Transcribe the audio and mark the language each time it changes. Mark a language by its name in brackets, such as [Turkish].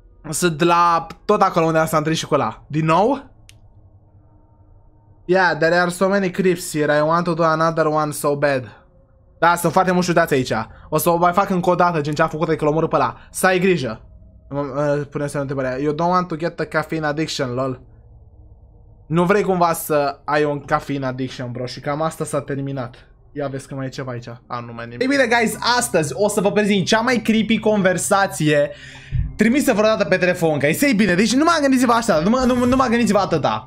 [Romanian] Sunt la tot acolo unde s-a întâlnit și cu ăla. Din nou? [English] Yeah, there are so many creeps here, I want to do another one so bad. [Romanian] Da, sunt foarte mulți ciudați aici. O să o mai fac încă o dată, gen ce-a făcut, adică l-o omor pe ăla. Să ai grijă. Pune semnul întrebarea. [English] You don't want to get a caffeine addiction, lol. [Romanian] Nu vrei cumva să ai un caffeine addiction, bro, și cam asta s-a terminat. Ia vezi că mai e ceva aici. A, nu mai nimic. Ei bine, guys, astăzi o să vă prezint cea mai creepy conversație trimisă vreodată pe telefon, că e bine, deci nu mă gândiți-vă așa, nu mă gândiți-vă atâta.